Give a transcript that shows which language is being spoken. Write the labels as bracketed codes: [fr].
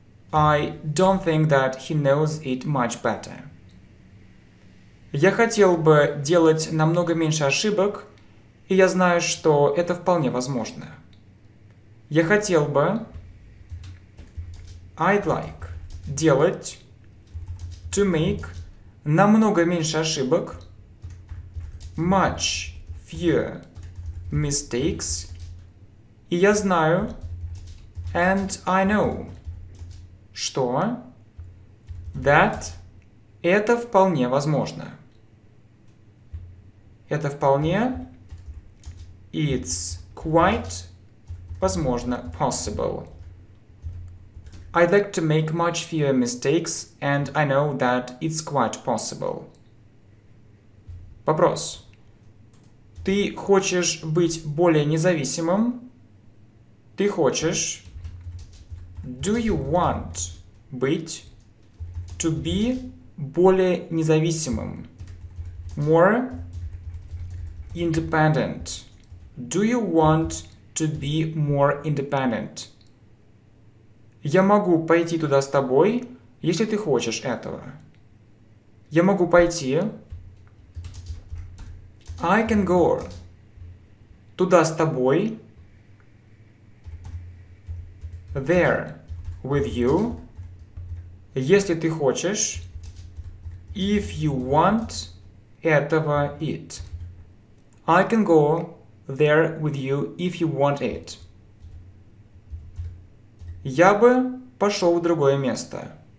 [en] I don't think that he knows it much better. [ru] Я хотел бы делать намного меньше ошибок, и я знаю, что это вполне возможно. Я хотел бы... [en] I'd like [ru] делать... [en] To make [ru] намного меньше ошибок... [en] Much fewer mistakes... [ru] И я знаю... [en] And I know... [ru] Что? That – это вполне возможно. Это вполне. [en] It's quite [ru] возможно [en] possible. I'd like to make much fewer mistakes, and I know that it's quite possible. [ru] Вопрос. Ты хочешь быть более независимым? Ты хочешь? [en] Do you want... [ru] Быть, [en] to be [ru] более независимым, [en] more independent. Do you want to be more independent? [ru] Я могу пойти туда с тобой, если ты хочешь этого. Я могу пойти. [en] I can go [ru] туда с тобой. [en] There with you. [ru] Если ты хочешь, [en] if you want [ru] этого [en] it. I can go there with you if you want it. [ru] Я бы пошел в другое место.